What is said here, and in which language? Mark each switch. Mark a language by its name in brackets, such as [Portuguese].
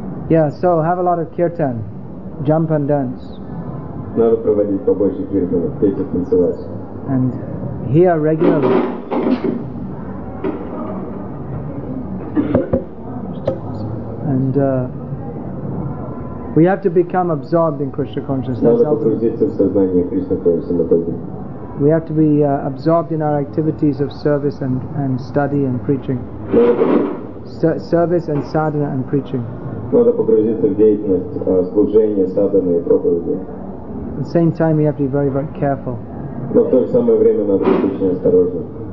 [English] Yeah, so have a lot of kirtan, jump and dance. [Russian] Надо проводить побольше киртана, петь и танцевать. [English] And here regularly. And we have to become absorbed in Krishna consciousness. [Russian] Надо погрузиться в сознание Кришна консамадхи. [English] We have to be absorbed in our activities of service and study and preaching. Service and sadhana and preaching. [Russian] Надо погрузиться в деятельность служения, садханы и проповеди. [English] At the same time, we have to be very, very careful. [Russian] Но в то же самое время надо быть очень осторожным.